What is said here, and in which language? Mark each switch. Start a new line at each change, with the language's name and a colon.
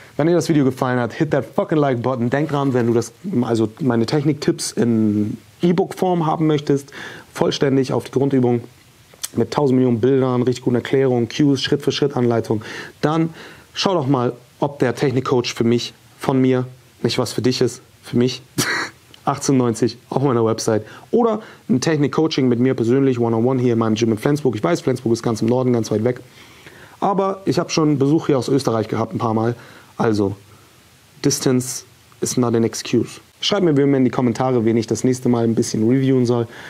German: Wenn dir das Video gefallen hat,
English: hit that fucking like button.
German: Denk dran, wenn du das, also meine Techniktipps in E-Book-Form haben möchtest, vollständig auf die Grundübung mit 1000 Millionen Bildern, richtig guten Erklärungen, Cues, Schritt-für-Schritt-Anleitung, dann schau doch mal, ob der Technik-Coach für mich, von mir, nicht was für dich ist, für mich, 1890 auf meiner Website oder ein Technik-Coaching mit mir persönlich, one-on-one hier in meinem Gym in Flensburg. Ich weiß, Flensburg ist ganz im Norden, ganz weit weg, aber ich habe schon Besuch hier aus Österreich gehabt ein paar Mal.
English: Also, Distance is not an excuse.
German: Schreibt mir wie immer in die Kommentare, wen ich das nächste Mal ein bisschen reviewen soll.